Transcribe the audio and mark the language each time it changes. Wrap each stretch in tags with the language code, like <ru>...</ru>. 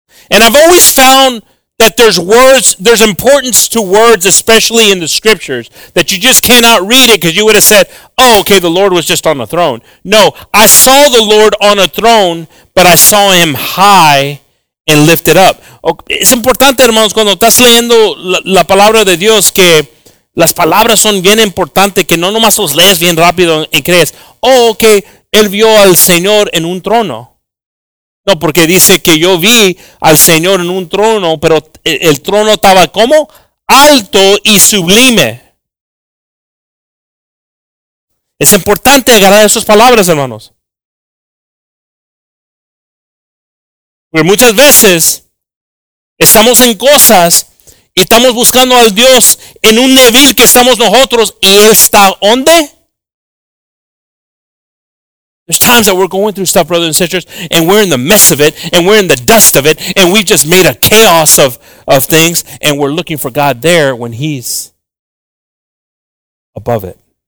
<en>And I've always found that there's words, there's importance to words, especially in the scriptures, that you just cannot read it because you would have said, oh, okay, the Lord was just on the throne. No, I saw the Lord on a throne, but I saw him high and lifted up.</en> <es>Es importante, hermanos, cuando estás leyendo la palabra de Dios, que las palabras son bien importantes, que no nomás los lees bien rápido y crees,</es> <en>oh, okay,</en> <es>él vio al Señor en un trono. No, porque dice que yo vi al Señor en un trono, pero el trono estaba como alto y sublime. Es importante agarrar esas palabras, hermanos. Porque muchas veces estamos en cosas y estamos buscando al Dios en un nivel que estamos nosotros y Él está ¿dónde?</es> <en>There's times that we're going through stuff, brothers and sisters, and we're in the midst of it, and we're in the dust of it, and we've just made a chaos of things, and we're looking for God there when He's above it.</en>